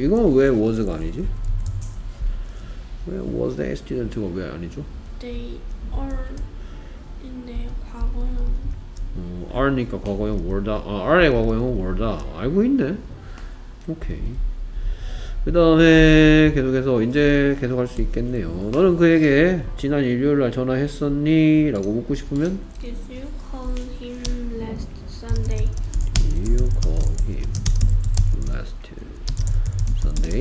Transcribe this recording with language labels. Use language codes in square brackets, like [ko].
[ko] 이건 왜 was가 아니지? 왜 [en] was the student [ko] 가 왜 아니죠? [en] They are 과거형. [ko] R니까 과거형 were다. 아, R의 과거형은 were다. 알고 있네. 오케이. 그다음에 계속해서 이제 계속할 수 있겠네요. 너는 그에게 지난 일요일 날 전화했었니?라고 묻고 싶으면 [en] Did you call him last Sunday? Did you call him last Sunday?